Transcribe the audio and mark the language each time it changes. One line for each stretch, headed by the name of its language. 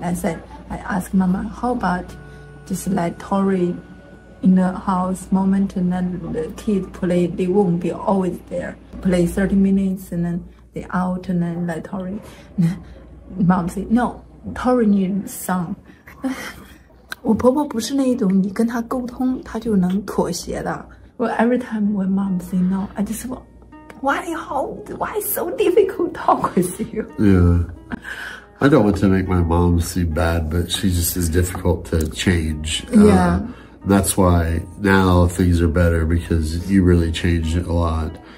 English: I said, I asked Mama, how about just let Tori in the house moment and then the kids play, they won't be always there. Play 30 minutes and then they out and then let Tori. Mom said, no, Tori needs some.
Chinese: 我婆婆不是那一种你跟她沟通她就能妥协的。
English: Well, every time when Mom said no, I just want,Why so difficult talk with you? Yeah. I don't want to make my mom seem bad, but she just is difficult to change. Yeah. That's why now things are better because you really changed a lot.